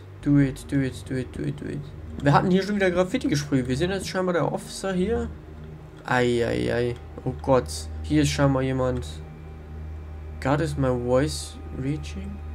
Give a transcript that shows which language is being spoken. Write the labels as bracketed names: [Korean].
[English] Do it, do it, do it, do it, do it. [German] Wir hatten hier schon wieder Graffiti gesprüht. Wir sehen jetzt scheinbar der Officer hier. Eieiei. Oh Gott. Hier ist scheinbar jemand. [English] God, is my voice reaching?